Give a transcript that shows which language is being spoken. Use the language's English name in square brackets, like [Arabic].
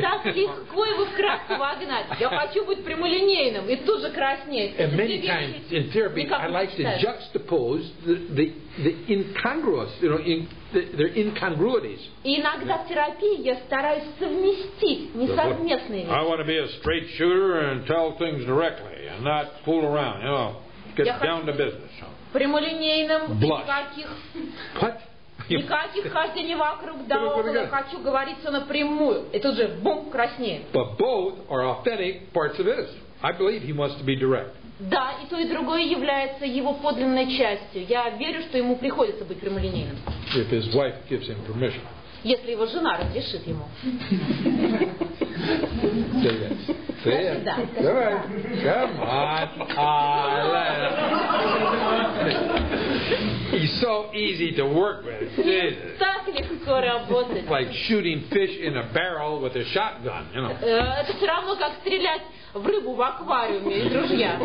[Russian] Так легко его в краску вогнать. Я хочу быть прямолинейным. И тут же краснеть. [English] And many times in therapy, I like to juxtapose the incongruous, you know, their incongruities. [Russian] И иногда в терапии я стараюсь совместить несовместные вещи. [English] I want to be a straight shooter and tell things directly and not fool around, you know. Get down to business. [Russian] Прямолинейным. [English] Blush. What? [Russian] Никаких хождений вокруг да около, хочу говорить все напрямую. И тут же бум, краснеет. [English] But both are authentic parts of his. I believe he wants to be direct. [Russian] Да, и то, и другое является его подлинной частью. Я верю, что ему приходится быть прямолинейным. [English] If his wife gives him permission. [Russian] Если его жена разрешит ему. [English] Say yes. Say yes. [Russian] Давай. [English] Come on. He's so easy to work with. [Russian] Так легко работать. [English] Like shooting fish in a barrel with a shotgun, you know. [Russian] Это все равно как стрелять в рыбу в аквариуме, друзья.